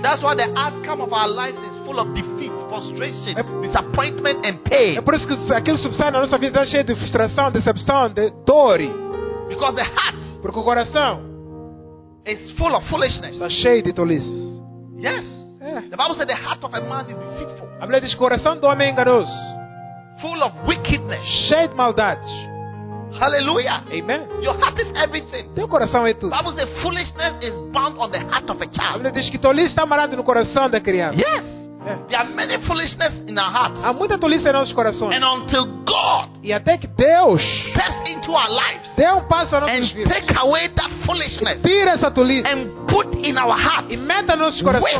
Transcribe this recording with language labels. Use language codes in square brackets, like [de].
[en] That's why the outcome of our lives is full of defeat, frustration, disappointment and pain. [pt] É por isso que aquilo subsai na nossa vida está cheio de frustração, decepção, de dor. [en] Because the heart, [pt] porque o coração [en] is full of foolishness. [pt] Está cheio de tolices. [en] Yes. [pt] É. [en] The Bible says the heart of a man is deceitful. [pt] A Bíblia diz que o coração do homem é enganoso. [en] Full of wickedness. [pt] Cheio de maldade. [en] Hallelujah. [pt] Amen. [en] Your heart is everything. [pt] Teu coração é tudo. [en] The Bible says foolishness is bound on the heart of a child. [pt] A Bíblia diz que tolice está amarrado no coração da criança. [en] Yes. É. There are many foolishness in our hearts. [pt] Há muita tolice em nossos corações. [en] And until God, [pt] e até que Deus [en] steps into our lives, [pt] dê passo a nossas vidas, [en] and take away that foolishness, [pt] tira essa tolice, [en] and put in our hearts, [pt] e meta nos nossos corações,